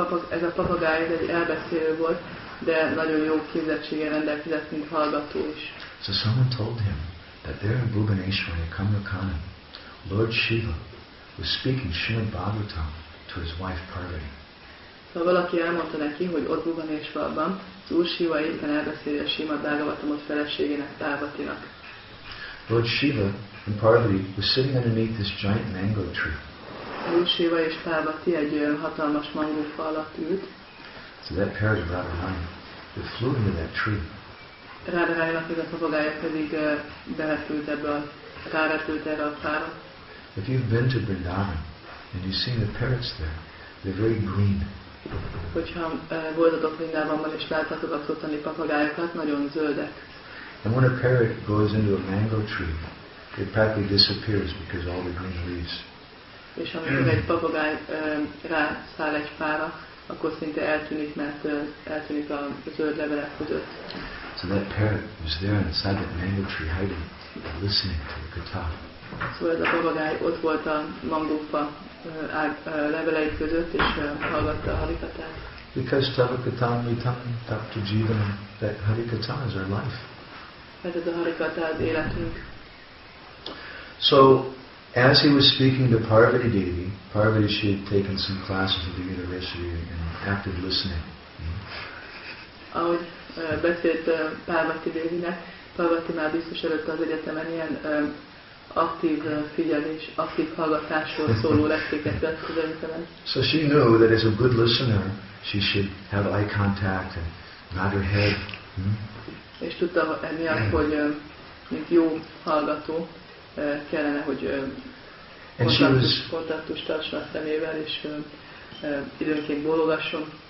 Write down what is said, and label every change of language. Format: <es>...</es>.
<hu>Ez a papagáj egy elbeszélő volt, de nagyon jó képzettséggel rendelkezett, mint hallgató is.</hu> <en>So someone told him that there in Bhuvaneshwar, Kamakana, Lord Shiva was speaking Srimad Bhagavatam to his wife Parvati.</en> <hu>Szóval valaki elmondta neki, hogy ott Bhuvaneshwarban az Úr Shiva éppen elbeszélje a Srimad Bhagavatamot feleségének, Parvatinak.</hu> <en>Lord Shiva and Parvati were sitting underneath this giant mango tree.</en> <hu>Shiva és Parvati egy hatalmas mangófa alatt ült.</hu> <en>So that parrot of Radharani, it flew into that tree.</en> <hu>Radharani-nak ez a papagája pedig berepült ebbe a rárepült erre a fára.</hu> <en>If you've been to Vrindavan and you've seen the parrots there, they're very green.</en> <hu>Hogyha voltatok Vrindavanban és láttatok az ottani papagájokat, nagyon zöldek.</hu> <en>And when a parrot goes into a mango tree, it practically disappears because all the green leaves.</en> <hu>És amikor egy papagáj rászáll egy fára, akkor szinte eltűnik, mert eltűnik a zöld levelek között.</hu> <en>So that parrot was there inside that mango tree hiding, listening to the guitar.</en> <hu>Szóval ez a papagáj ott volt a mangófa levelei között, és hallgatta a harikatát.</hu> <en>Because</en> <sa>tavakatam mitam tapta jivanam,</sa> <en>that harikata is our life.</en> <hu>Mert ez a harikata az életünk.</hu> <en>So, As he was speaking to Parvati Devi, Parvati, she had taken some classes at the university in active listening.</en> <hu>Ahogy beszélt Parvati Devinek, Parvati már biztos előtte az egyetemen ilyen aktív figyelés, aktív hallgatásról szóló leckéket vett az egyetemen.</hu> <en>So she knew that as a good listener, she should have eye contact and nod her head.</en> <hu>És tudta emiatt, hogy mint jó hallgató, kellene, hogy kontaktust tartson a szemével, és időnként bólogasson.</hu>